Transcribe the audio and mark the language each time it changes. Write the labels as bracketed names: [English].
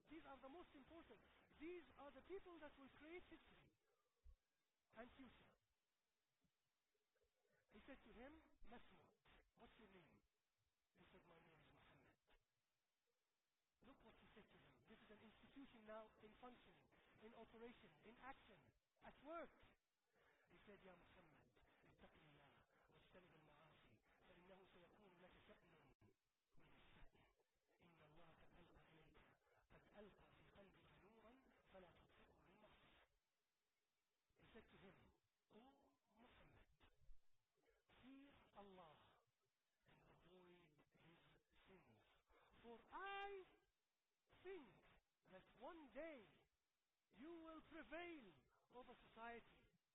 [English] These are the most important. These are the people that will create history and future. He said to him, Masmu, what's your name? He said, my name is Muhammad. Look what he said to him. This is an institution now in function, in operation, in action, at work. He said, Ya Muhammad, [Arabic] اتق الله واجتنب المعاصي فإنه سيكون لك شأن من الشأن. إن الله قد ألقى إليك قد ألقى في قلبك نورا فلا تطفئه من معصيه. [English] He said to him, O Muhammad, fear Allah and avoid his sins. For I think that one day you will prevail over society.